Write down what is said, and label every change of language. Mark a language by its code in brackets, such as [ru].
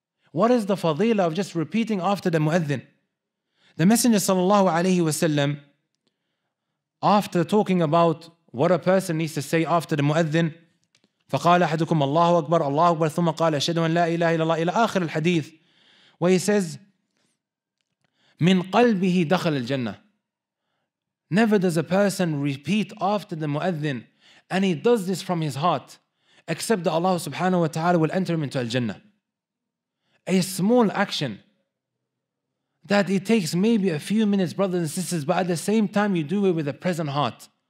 [en] What is the fadila of just repeating after the muadhin? The Messenger sallallahu alayhi wa sallam, after talking about what a person needs to say after the muadhin, [ar] فَقَالَ أَحَدُكُمْ اللَّهُ أَكْبَرُ اللَّهُ أَكْبَرُ ثُمَّ قَالَ أَشْهَدُ أَنْ لَا إِلَهَ إِلَّا اللَّهُ إِلَى آخِرِ الْحَدِيثِ. [en] Where he says, [ar] مِنْ قَلْبِهِ دَخَلَ الْجَنَّةِ. [en] Never does a person repeat after the muadhin, and he does this from his heart, except that Allah subhanahu wa ta'ala will enter him into Al-Jannah. A small action that it takes maybe a few minutes, brothers and sisters, but at the same time you do it with a present heart.